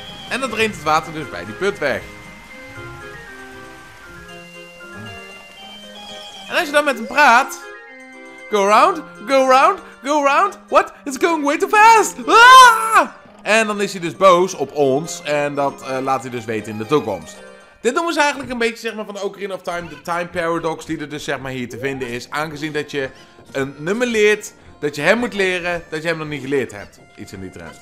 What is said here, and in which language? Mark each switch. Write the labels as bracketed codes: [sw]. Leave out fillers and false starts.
[nl] En dan drinkt het water dus bij die put weg. En als je dan met hem praat. [en] Go round, go round, go round. What? It's going way too fast. Ah! [nl] En dan is hij dus boos op ons. En dat laat hij dus weten in de toekomst. Dit noemen ze eigenlijk een beetje zeg maar, van Ocarina of Time. De time paradox die er dus zeg maar, hier te vinden is. Aangezien dat je een nummer leert. Dat je hem moet leren, dat je hem nog niet geleerd hebt. Iets in die trend.